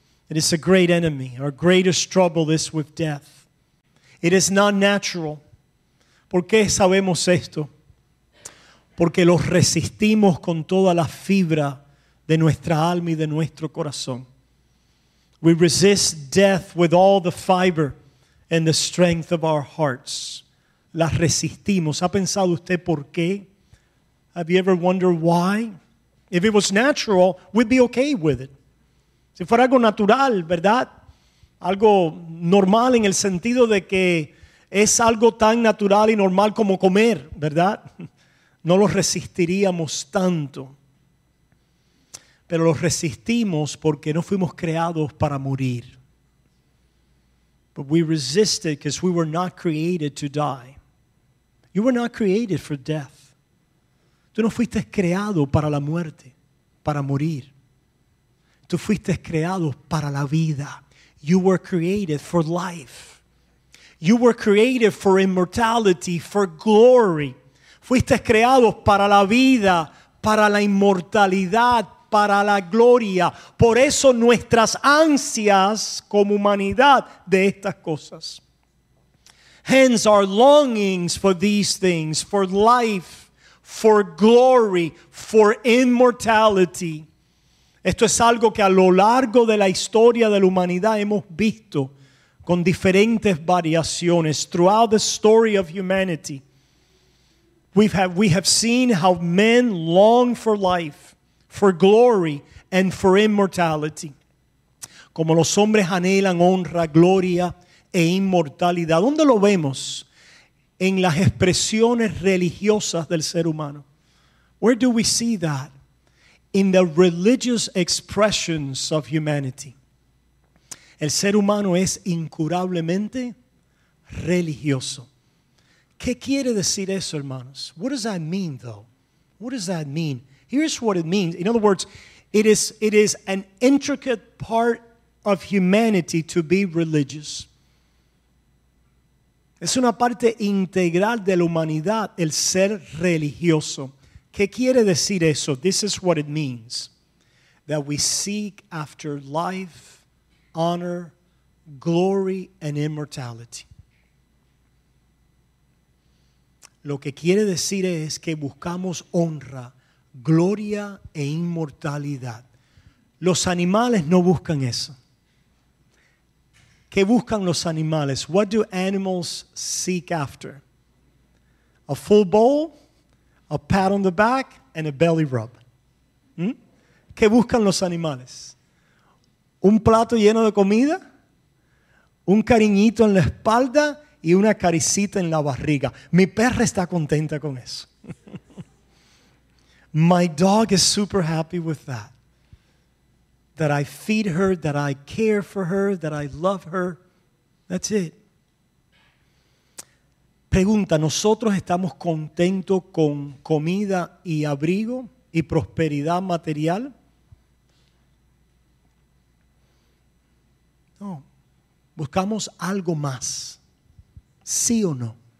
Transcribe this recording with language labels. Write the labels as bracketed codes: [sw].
[en] It is a great enemy. Our greatest trouble is with death. It is not natural. [es] ¿Por qué sabemos esto? Porque lo resistimos con toda la fibra de nuestra alma y de nuestro corazón. [en] We resist death with all the fiber and the strength of our hearts. [es] La resistimos. ¿Ha pensado usted por qué? [en] Have you ever wondered why? If it was natural, we'd be okay with it. [es] Si fuera algo natural, ¿verdad? Algo normal en el sentido de que es algo tan natural y normal como comer, ¿verdad? No lo resistiríamos tanto. Pero lo resistimos porque no fuimos creados para morir. [en] But we resisted because we were not created to die. You were not created for death. [es] Tú no fuiste creado para la muerte, para morir. Tú fuiste creado para la vida. [en] You were created for life. You were created for immortality, for glory. [es] Fuiste creado para la vida, para la inmortalidad, para la gloria. Por eso nuestras ansias como humanidad de estas cosas. [en] Hence our longings for these things, for life, for glory, for immortality. [es] Esto es algo que a lo largo de la historia de la humanidad hemos visto con diferentes variaciones. [en] Throughout the story of humanity, we have seen how men long for life, for glory, and for immortality. [es] Como los hombres anhelan honra, gloria e inmortalidad. ¿Dónde lo vemos? En las expresiones religiosas del ser humano. [en] Where do we see that? In the religious expressions of humanity. [es] El ser humano es incurablemente religioso. ¿Qué quiere decir eso, hermanos? [en] What does that mean, though? What does that mean? Here's what it means. In other words, it is an intricate part of humanity to be religious. [es] Es una parte integral de la humanidad, el ser religioso. ¿Qué quiere decir eso? [en] This is what it means. That we seek after life, honor, glory, and immortality. [es] Lo que quiere decir es que buscamos honra, gloria e inmortalidad. Los animales no buscan eso. ¿Qué buscan los animales? [en] What do animals seek after? A full bowl, a pat on the back, and a belly rub. [es] ¿Qué buscan los animales? Un plato lleno de comida, un cariñito en la espalda y una caricita en la barriga. Mi perra está contenta con eso. [en] My dog is super happy with that. That I feed her, that I care for her, that I love her. That's it. [es] Pregunta, ¿nosotros estamos contentos con comida y abrigo y prosperidad material? No. ¿Buscamos algo más? ¿Sí o no?